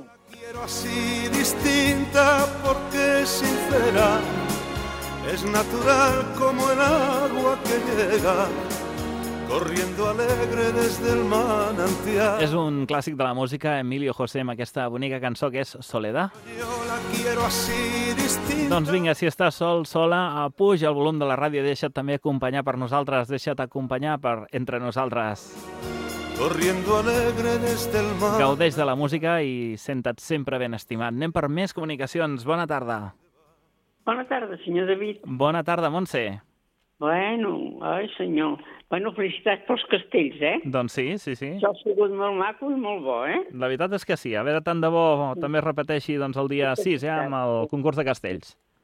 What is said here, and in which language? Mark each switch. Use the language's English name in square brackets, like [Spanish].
[Spanish] Quiero así distinta porque sincera. Es natural como el agua que llega corriendo alegre desde el manantial. [Catalan] És un clàssic de la música, Emilio José, amb aquesta bonica cançó que és Soledad. [Spanish] Yo la quiero así distinta. [Catalan] Doncs vinga, si estàs sol, sola, puja el volum de la ràdio, deixa't també acompanyar per nosaltres, deixa't acompanyar per entre nosaltres. [Spanish] Corriendo alegre desde el mar. [Catalan] Gaudeix de la música i senta't sempre ben estimat. Anem per més comunicacions. Bona tarda. Bona tarda, senyor David. Bona tarda, Montse. Bueno, ai, senyor. Bueno, felicitats pels castells, eh? Doncs sí, sí, sí. Això ha sigut molt maco i molt bo, eh? La veritat és que sí. A veure, tant de bo també es repeteixi doncs, el dia 6, eh? Amb el concurs de castells.